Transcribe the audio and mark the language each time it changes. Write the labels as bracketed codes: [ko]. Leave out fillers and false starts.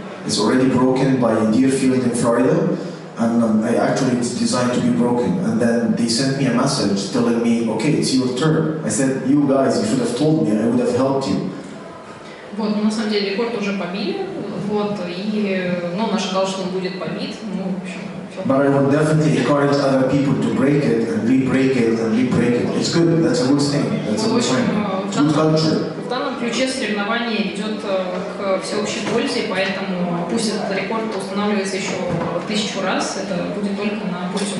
[en] It's already broken by Deerfield in Florida, and it's designed to be broken. And then they sent me a message telling me, okay, it's your turn. I said, you guys, you should have told me, I would have helped you. [ru] Вот, на самом деле рекорд уже побили, вот, и, ну, он ожидал, что он будет побит, ну, в общем. [en] But I would definitely encourage other people to break it and re-break it and re-break it. It's good, that's a good thing, that's a good thing. It's good culture. [ru] В данном ключе соревнование ведет к всеобщей пользе, поэтому пусть этот рекорд устанавливается еще 1000 раз, это будет только на пользу.